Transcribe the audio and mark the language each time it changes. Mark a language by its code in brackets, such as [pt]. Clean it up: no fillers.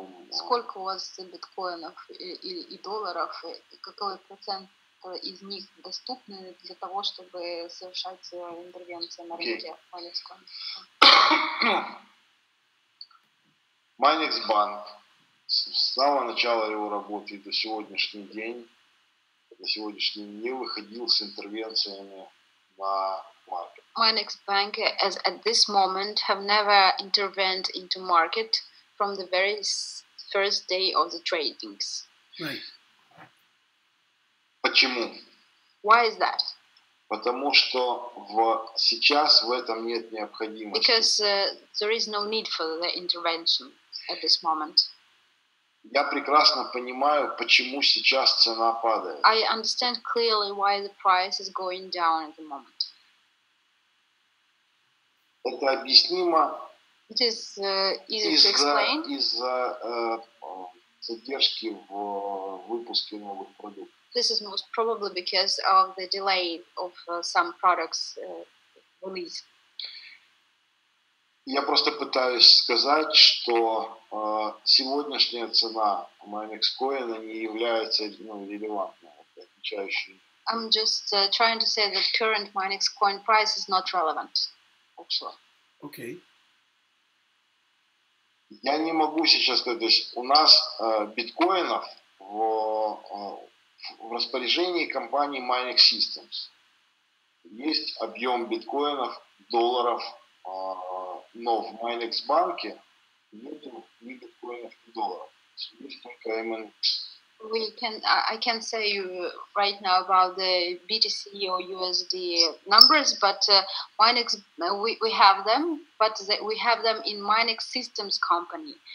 [ru] Сколько у вас биткоинов и долларов, и какой процент из них доступны для того, чтобы совершать интервенции на рынке Minexcoin? Minex банк с самого начала его работы до сегодняшний день, не выходил с интервенциями на [en] market. Minex Bank as at this moment have never intervened into market from the very first day of the tradings. Right. [ru] Почему? [en] Why is that? [ru] Потому что сейчас в этом нет необходимости. [en] Because there is no need for the intervention at this moment. [ru] Я прекрасно понимаю, почему сейчас цена падает. [en] I understand clearly why the price is going down at the moment. [ru] Это объяснимо. [en] It is easy to explain. [ru] Из-за задержки в выпуске новых продуктов. [en] This is most probably because of the delay of some products release. [ru] Я просто пытаюсь сказать, что сегодняшняя цена Minexcoin не является релевантной, отвечающей. [en] I'm just trying to say that current Minexcoin price is not relevant. Actually. Okay. [ru] Я не могу сейчас сказать, то есть у нас биткоинов в распоряжении компании Minex Systems есть объем биткоинов, долларов, но в Minex банке нет ни биткоинов, ни долларов. Есть только MNX. [en] I can't say you right now about the BTC or USD numbers, but Minex, we have them, but we have them in Minex Systems company.